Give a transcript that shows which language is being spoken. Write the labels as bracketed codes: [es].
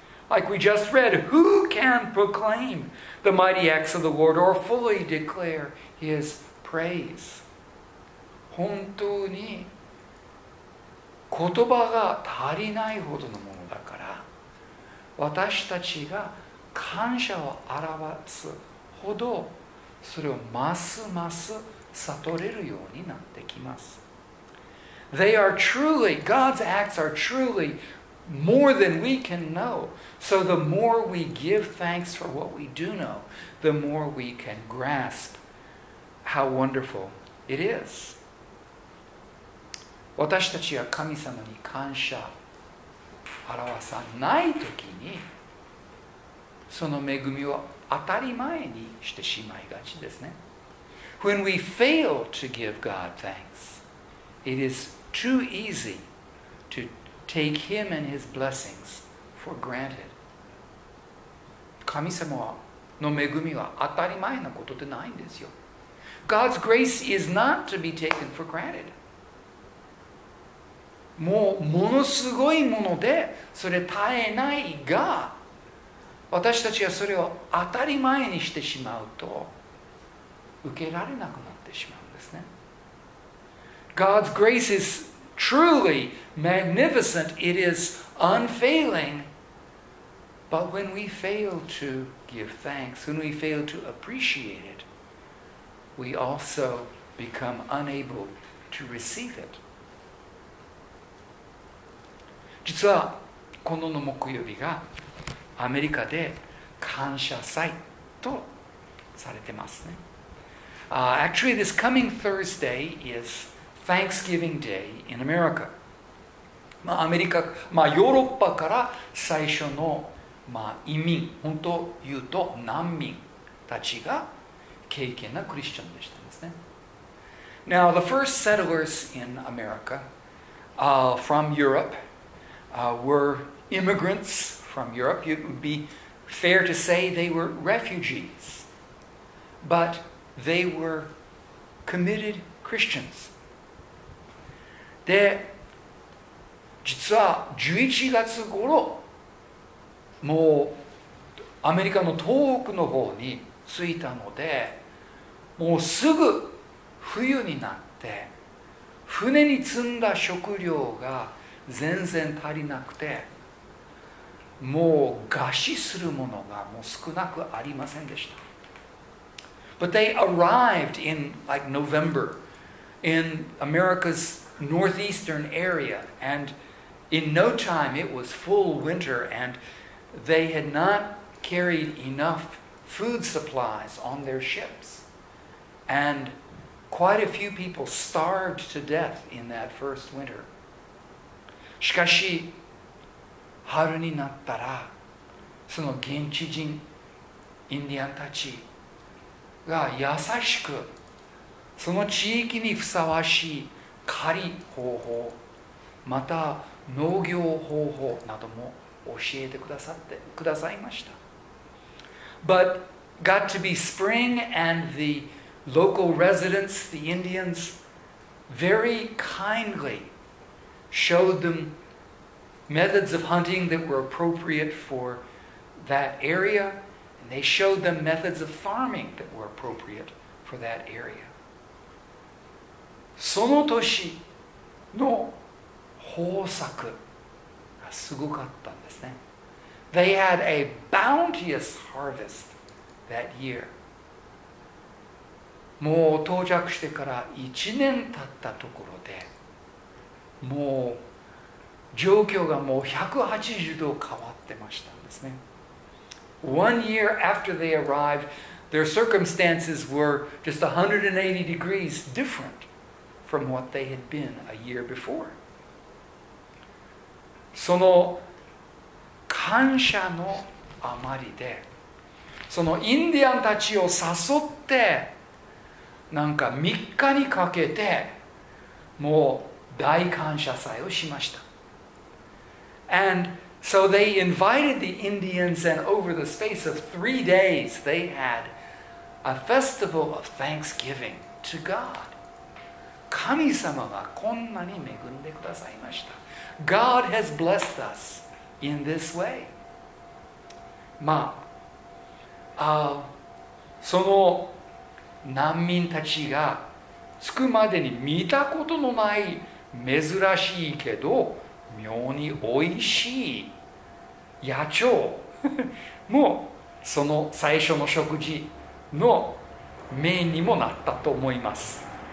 [en] Like we just read, who can proclaim the mighty acts of the Lord or fully declare his praise? [ja] 本当に言葉が足りないほどのものだから、私たちが感謝を表すほどそれをますます悟れるようになってきます。 [en] They are truly, God's acts are truly more than we can know. So the more we give thanks for what we do know, the more we can grasp how wonderful it is. [ja] 私たちは神様に感謝表さないときに、その恵みを当たり前にしてしまいがちですね。 [en] When we fail to give God thanks, it is too easy to take Him and His blessings for granted. [ja] 神様の恵みは当たり前なことでないんですよ。 [en] God's grace is not to be taken for granted. [ja] もうものすごいもので、それ耐えないが、私たちはそれを当たり前にしてしまうと受けられなくなってしまうんですね。 [en] God's grace is truly magnificent. It is unfailing. But when we fail to give thanks, when we fail to appreciate it, we also become unable to receive it. [ja] 実はこの木曜日がアメリカで感謝祭とされてますね。 [en] Actually, this coming Thursday is Thanksgiving Day in America. [ja] まあアメリカ、まあヨーロッパから最初の、まあ、移民、本当言うと難民たちが敬虔なクリスチャンでしたんですね。 [en] Now, the first settlers in America, from Europe, were immigrants. From Europe, it would be fair to say they were refugees, but they were committed Christians. [ja] で、実は11月頃、もうアメリカの東北の方に着いたので、もうすぐ冬になって、船に積んだ食料が全然足りなくて、もう餓死するものがもう少なくありませんでした。 [en] But they arrived in like November in America's northeastern area, and in no time it was full winter, and they had not carried enough food supplies on their ships. And quite a few people starved to death in that first winter. [ja] しかし、春になったら、その現地人、インディアンたちが優しく、その地域にふさわしい狩り方法、また農業方法なども教えてくださいました。 [en] But got to be spring and the local residents, the Indians, very kindly showed them methods of hunting that were appropriate for that area, and they showed them methods of farming that were appropriate for that area. [ja] その年の豊作がすごかったんですね。 [en] They had a bounteous harvest that year. [ja] もう到着してから1年経ったところで、もう状況がもう180度変わってましたんですね。 [en] One year after they arrived, their circumstances were just 180 degrees different from what they had been a year before. [ja] その感謝のあまりで、そのインディアンたちを誘って、なんか3日にかけて、もう大感謝祭をしました。 [en] And so they invited the Indians, and over the space of 3 days, they had a festival of thanksgiving to God. [ja] 神様がこんなに恵んでくださいました。 [en] God has blessed us in this way. [ja] まあ、その難民たちが着くまでに見たことのない珍しいけど、妙に美味しい野鳥もその最初の食事のメインにもなったと思います。